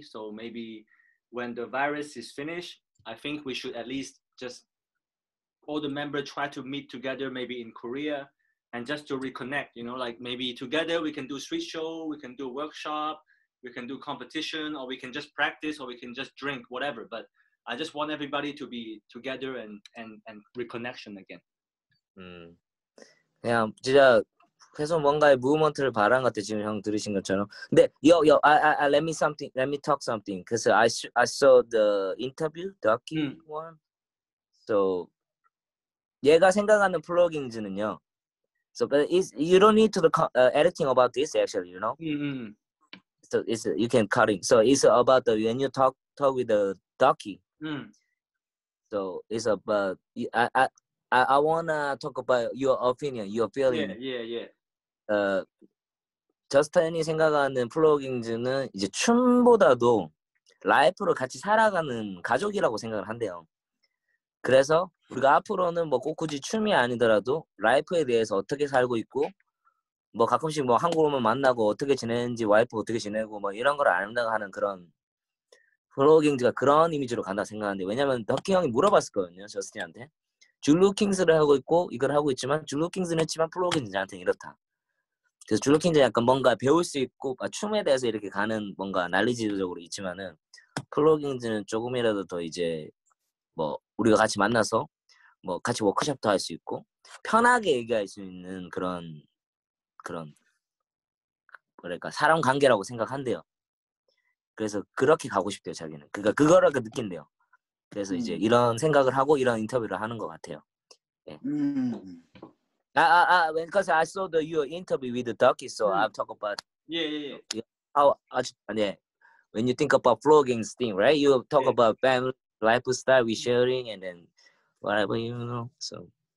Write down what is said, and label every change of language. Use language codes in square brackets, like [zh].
[en] So maybe when the virus is finished, I think we should at least just all the members try to meet together maybe in Korea and just to reconnect, you know, like maybe together we can do street show, we can do workshop, we can do competition, or we can just practice, or we can just drink, whatever. But I just want everybody to be together and reconnection again. Mm. Yeah, [ko] 진짜. 계속 뭔가의 무브먼트를 바란 것 같아 지금 형 들으신 것처럼. [en] 근데 I let me something. Let me talk something. 'Cause I saw the interview, Ducky one. [ko] So 얘가 생각하는 플러깅즈는요. [en] So but is you don't need to the editing about this actually, you know. So it's you can cutting. So it's about the when you talk with the Ducky. So it's about I wanna talk about your opinion, your feeling. Yeah. [ko] 저스턴이 생각하는 플로깅즈는 이제 춤보다도 라이프를 같이 살아가는 가족이라고 생각을 한대요. 그래서 우리가 앞으로는 뭐 꼭 굳이 춤이 아니더라도 라이프에 대해서 어떻게 살고 있고 뭐 가끔씩 뭐 한국 오면 만나고 어떻게 지내는지 와이프 어떻게 지내고 뭐 이런 걸 안다고 하는 그런 블로깅즈가 그런 이미지로 간다 생각하는데 왜냐면 더키 형이 물어봤을 거거든요 저스틴한테 줄루킹스를 하고 있고 이걸 하고 있지만 줄루킹스는 했지만 블로깅즈한테 이렇다 그래서 줄루킹즈 약간 뭔가 배울 수 있고 아, 춤에 대해서 이렇게 가는 뭔가 난리지도적으로 있지만은 블로깅즈는 조금이라도 더 이제 뭐 우리가 같이 만나서 뭐 같이 워크숍도 할 수 있고 편하게 얘기할 수 있는 그런 그런 뭐랄까 사람 관계라고 생각한대요. 그래서 그렇게 가고 싶대요 자기는. 그러니까 그거라고 느낀대요. 그래서 이제 이런 생각을 하고 이런 인터뷰를 하는 것 같아요. 네. [en] 'Cause I saw the your interview with the ducky, so I talk about when you think about vlogging thing, right? You talk about family lifestyle, we sharing, and then whatever you know. So.